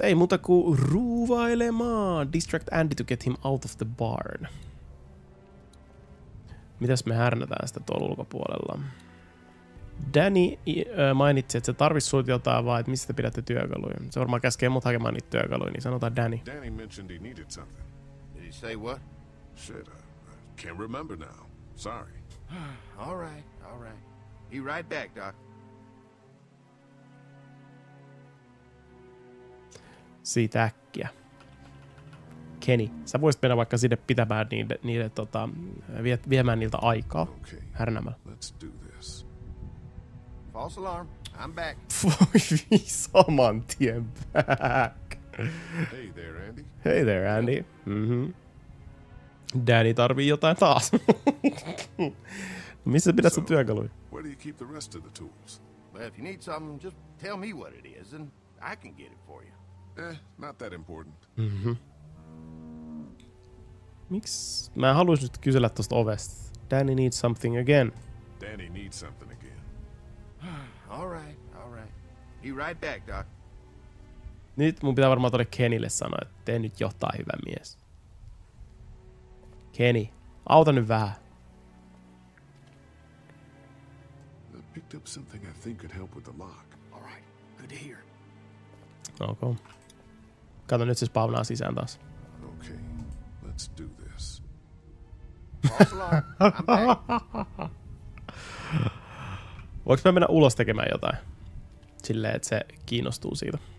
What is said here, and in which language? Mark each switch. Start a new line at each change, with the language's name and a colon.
Finnish: Ei muuta kuin ruuvailemaan.
English: Distract Andy to get him out of the barn.
Finnish: Mitäs me härnätään sitä tuolla ulkopuolella? Danny mainitsi, että se tarvitsisi sulta jotain vaan, että mistä pidätte työkaluja. Se varmaan käskee mut hakemaan niitä työkaluja, niin sanotaan Danny.
English: Danny mentioned he needed something. Did he say what? Shit, I can't remember now. Sorry. All right. Be right back, Doc.
Finnish: Siitä äkkiä. Kenny, sä voisit mennä vaikka sinne pitämään niille tota, viemään niiltä aikaa.
English: Okay,
Finnish: härnämällä.
English: Let's do this. False alarm. I'm back.
Finnish: Saman tien back.
English: Hey there, Andy.
Finnish: Mm-hmm. Danny tarvii jotain taas. Missä pidät sun työkaluja?
English: Where do you keep the rest of the tools? Well, if you need something, just tell me what it is and I can get it for you. Not that important. Mhm.
Finnish: Miks? Mä haluaisin nyt kysellä tosta ovesta.
English: Danny needs something again. Danny needs something again. All right. Be right back, Doc.
Finnish: Nyt mun pitää varmaan tuolle Kennylle sanoa, että tee nyt jotain, hyvä mies. Kenny, auta nyt vähän.
English: I picked up something I think could help with the lock. All right, good to hear. Okay.
Finnish: Kato, nyt se spawnaa sisään taas.
English: Okay, let's do this.
Finnish: Voinko mä mennä ulos tekemään jotain? Silleen, että se kiinnostuu siitä.